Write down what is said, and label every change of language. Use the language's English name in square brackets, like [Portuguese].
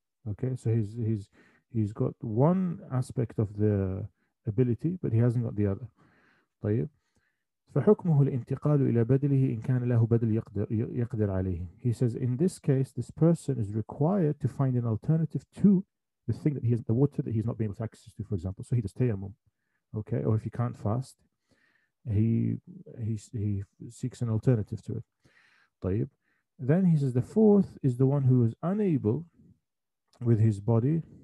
[English] Okay, so he's got one aspect of the ability, but he hasn't got the other. [Arabic] طيب. فحكمه الانتقال إلى بدله إن كان له بدل يقدر عليه. [English] He says in this case, this person is required to find an alternative to the thing that he has, the water that he's not being able to access to, for example. So he does tayammum. Okay, or if he can't fast, he seeks an alternative to it. [Arabic] طيب. [English] Then he says the fourth is the one who is unable with his body.